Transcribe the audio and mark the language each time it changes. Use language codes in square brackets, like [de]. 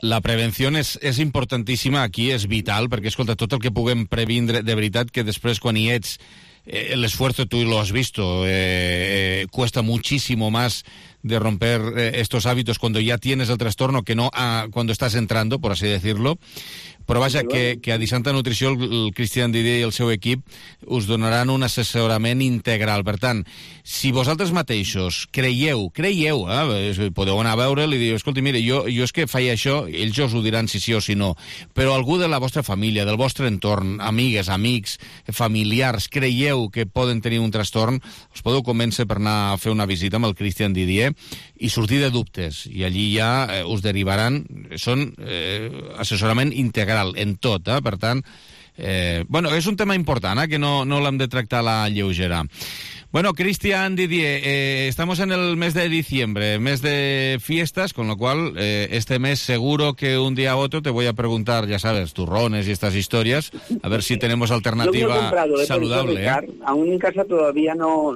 [es] La prevención es importantísima aquí, es vital, porque, [ca] escolta, tot el que puguem previndre, de veritat, que després, quan hi ets, [es] el esfuerzo, tú lo has visto, cuesta muchísimo más de romper estos hábitos cuando ya tienes el trastorno que no cuando estás entrando, por así decirlo. [ca] Però vaja, que a Disanta Nutrició el Cristian Didier i el seu equip us donaran un assessorament integral. Per tant, si vosaltres mateixos creieu, podeu anar a veure'l i dir, escolti, mire, jo és que faia això, ells us ho diran si sí o si no, però algú de la vostra família, del vostre entorn, amigues, amics, familiars, creieu que poden tenir un trastorn, us podeu convèncer per anar a fer una visita amb el Cristian Didier i sortir de dubtes. I allí ja us derivaran, són assessorament integral en tot, eh? Per tant, Bueno, és un tema important, que no l'hem de tractar a la lleugera. [es] Bueno, Cristian, Didier, estamos en el mes de diciembre, mes de fiestas, con lo cual este mes seguro que un día u otro te voy a preguntar, ya sabes, turrones y estas historias, a ver si tenemos alternativa saludable. Aún en casa todavía no...